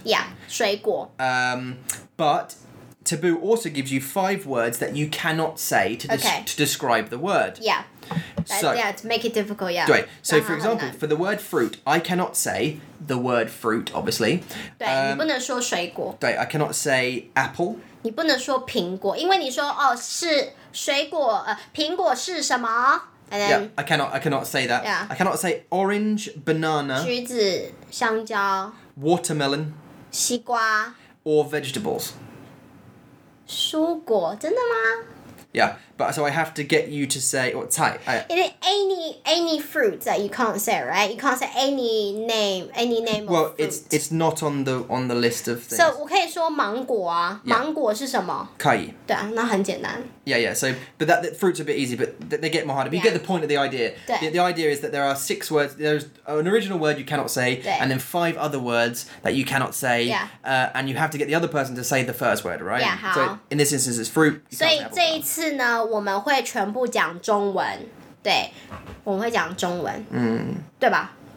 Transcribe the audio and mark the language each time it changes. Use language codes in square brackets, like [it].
[en] Yeah. 水果. But Taboo also gives you 5 words that you cannot say to describe the word. Yeah. So, yeah, to make it difficult, yeah. 对, so, for example, for the word fruit, I cannot say the word fruit, obviously. [zh] 对, 你不能说水果。 [en] 对, I cannot say apple. [zh] 你不能说苹果,因为你说,哦,是水果,苹果是什么? [en] And then, yeah, I cannot say that. Yeah. I cannot say orange, banana. [zh] 橘子,香蕉。 [en] Watermelon. [zh] 西瓜。 [en] Or vegetables. [zh] 蔬果,真的吗? [en] Yeah. But so I have to get you to say or type. Is it any fruit that you can't say, right? You can't say any name well, of fruit. Well, it's not on the list of things. So [zh] 我可以说芒果啊，芒果是什么？可以。对啊，那很简单。 [en] Yeah, yeah. So, but that fruit's a bit easy, but they get more harder. But you get the point of the idea. [zh] 对。 [en] The idea is that there are 6 words. There's an original word you cannot say, and then 5 other words that you cannot say. Yeah. And you have to get the other person to say the first word, right? Yeah. 好。 So in this instance, it's fruit. [zh] 所以这一次呢？我们会全部讲中文，对，我们会讲中文，对吧